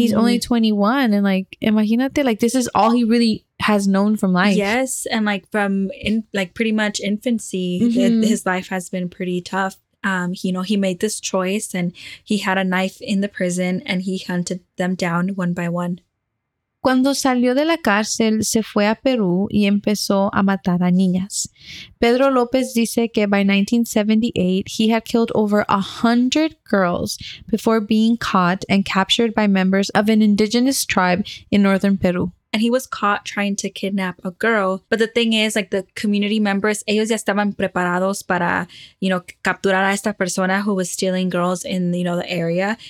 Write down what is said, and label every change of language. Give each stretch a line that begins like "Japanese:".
English: he's only 21. And, like,
Spanish: imagínate,
English: like, this is all he really has known from life. Yes. And, like, from, in, like, pretty much infancy, mm-hmm. his life has been pretty tough. You know, he made this choice and he had a knife in the prison and he hunted them down one by one.
Spanish: Cuando salió de la cárcel, se fue a Perú y empezó a matar a niñas.
English: Pedro López
Spanish: dice que
English: by 1978, he had killed over 100 girls before being caught and captured by members of an indigenous tribe in northern Peru. And he was caught trying to kidnap a girl. But the thing is, like, the community members,
Spanish: ellos ya estaban preparados para,
English: you know,
Spanish: capturar a esta persona
English: who was stealing girls in, you know, the area.